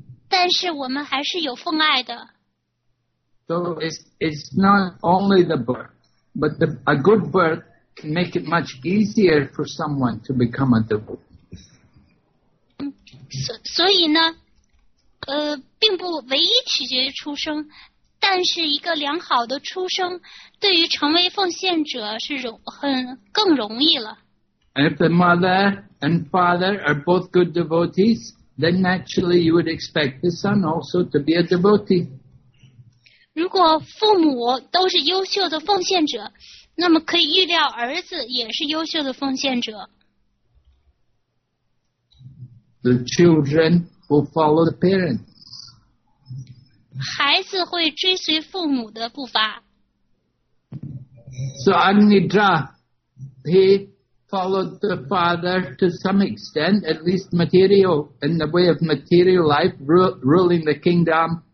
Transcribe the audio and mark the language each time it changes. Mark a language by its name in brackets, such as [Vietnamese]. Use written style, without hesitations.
[Chinese] 但是我们还是有奉爱的。 [English] So it's not only the birth, but a good birth can make it much easier for someone to become a devotee. [Chinese] 所以呢，并不唯一取决于出生。但是一个良好的出生对于成为奉献者是更容易了。 [English] If the mother and father are both good devotees, then naturally you would expect the son also to be a devotee. [Chinese] 如果父母都是优秀的奉献者，那么可以预料儿子也是优秀的奉献者。 [English] The children will follow the parents. [Chinese] 孩子会追随父母的步伐。 [English] So Anidra, he followed the father to some extent, at least material, in the way of material life, ruling the kingdom.